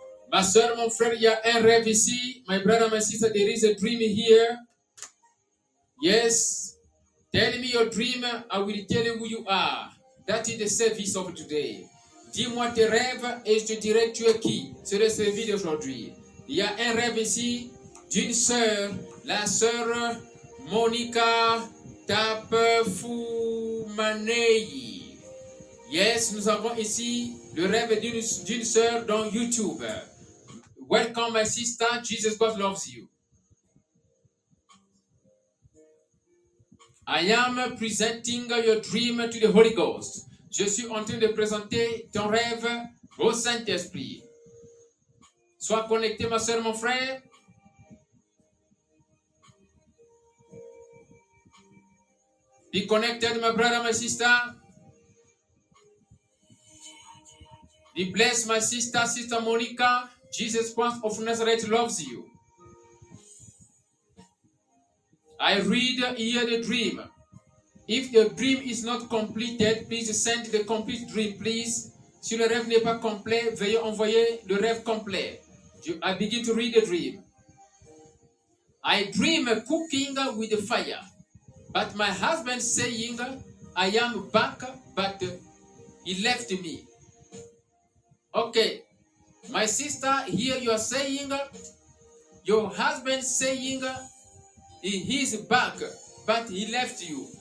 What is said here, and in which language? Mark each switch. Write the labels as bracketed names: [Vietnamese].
[French] Ma soeur, mon frère, il y a un rêve ici. [English] My brother, my sister, there is a dream here. Yes. Tell me your dream. I will tell you who you are. That is the service of today. [French] Dis-moi tes rêves et je te dirai tu es qui. C'est le service d'aujourd'hui. Il y a un rêve ici d'une soeur. La soeur Monica Tapfumanei. Yes, nous avons ici le rêve d'une soeur dans YouTube. [English] Welcome, my sister. Jesus God loves you. I am presenting your dream to the Holy Ghost. [French] Je suis en train de présenter ton rêve au Saint-Esprit. Sois connecté, ma soeur, mon frère. [English] Be connected, my brother, my sister. Be blessed, my sister, sister Monica. Jesus Christ of Nazareth loves you. I read here the dream. If the dream is not completed, please send the complete dream, please. [French] Si le rêve n'est pas complet, veuillez envoyer le rêve complet. [English] I begin to read the dream. I dream cooking with fire, but my husband saying, I am back, but he left me. Okay. My sister, here you are saying, your husband saying, he is back, but he left you.